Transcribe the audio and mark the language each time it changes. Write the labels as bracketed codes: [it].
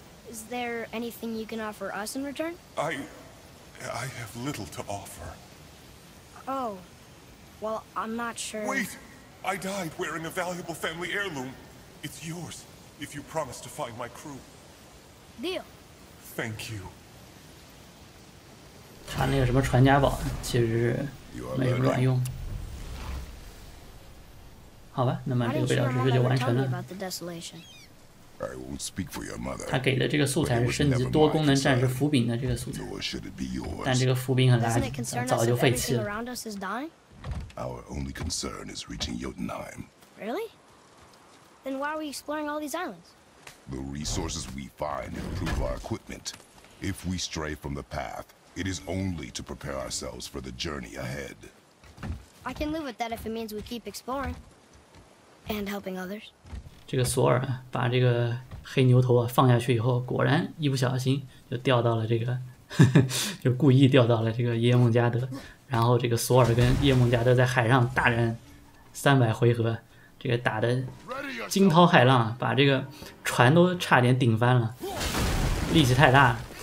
[en] Is there anything you can offer us in return? I have little to offer. Oh, well, I'm not sure. Wait! I died wearing a valuable family heirloom. It's yours, if you promise to find my crew. Deal. Thank you. [zh] 他那个什么传家宝，其实没什么卵用。好吧，那么这个未了之事就完成了。 [en] I won't speak for your mother. [zh] 他给的这个素材是升级多功能战士斧柄的这个素材，但这个斧柄很垃圾，早就废弃了。 [en] Our only concern is reaching Jotunheim. Really? Then why are we exploring all these islands? The resources we find improve our equipment. If we stray from the path, it is only to prepare ourselves for the journey ahead. I can live with that if it means we keep exploring and helping others. [zh] 这个索尔把这个黑牛头啊放下去以后，果然一不小心就掉到了这个，就故意掉到了这个耶梦加德。然后这个索尔跟叶梦加德在海上大战300回合，这个打得惊涛骇浪，把这个船都差点顶翻了，力气太大了。